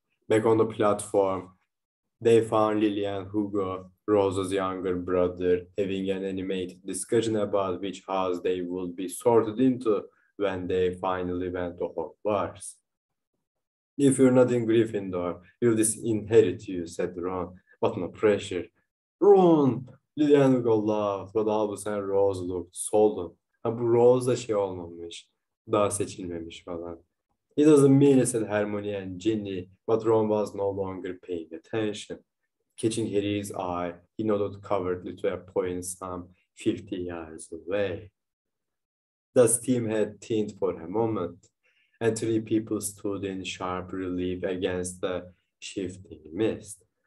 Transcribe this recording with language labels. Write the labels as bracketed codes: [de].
[en] Back on the platform, they found Lily and Hugo, Rose's younger brother, having an animated discussion about which house they would be sorted into when they finally went to Hogwarts. If you're not in Gryffindor, you'll disinherit you, said Ron. What no pressure. Ron, Lillian Gollav, but Albus and Rose looked solemn. [tr] Ha bu Rose da şey olmamış, daha seçilmemiş falan. [en] It doesn't mean, said Hermione and Ginny, but Ron was no longer paying attention. Catching Harry's eye, he nodded covertly to a point some 50 yards away. The steam had thinned for a moment, and three people stood in sharp relief against the shifting mist.